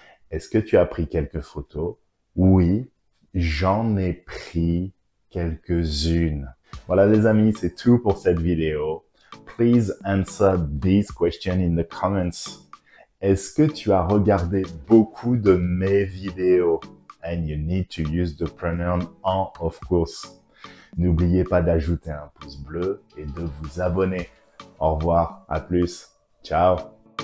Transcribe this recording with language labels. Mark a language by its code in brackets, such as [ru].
[fr] Est-ce que tu as pris quelques photos? Oui, j'en ai pris quelques-unes. Voilà les amis, c'est tout pour cette vidéo. [en] Please answer this question in the comments. [fr] Est-ce que tu as regardé beaucoup de mes vidéos? [en] And you need to use the pronoun en, of course. [fr] N'oubliez pas d'ajouter un pouce bleu et de vous abonner. Au revoir, à plus. Ciao.